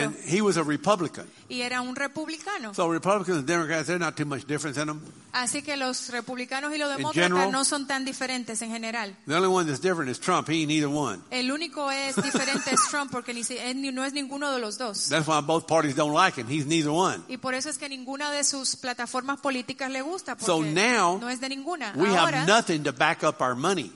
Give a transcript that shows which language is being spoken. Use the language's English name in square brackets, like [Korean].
[English] And he was a Republican. [Spanish] Y era un republicano. [English] So Republicans and Democrats, there's not too much difference in them. [Spanish] Así que los republicanos y los demócratas no son tan diferentes en general. [English] The only one that's different is Trump. He ain't either one. [Spanish] El único es diferente es Trump porque no es ninguno de los dos. [English] That's why both parties don't like him. He's neither one. [Spanish] Y por eso es que ninguna de sus plataformas políticas le gusta porque [English] so now, [Spanish] no es de ninguna. [English] We have nothing to back up our money.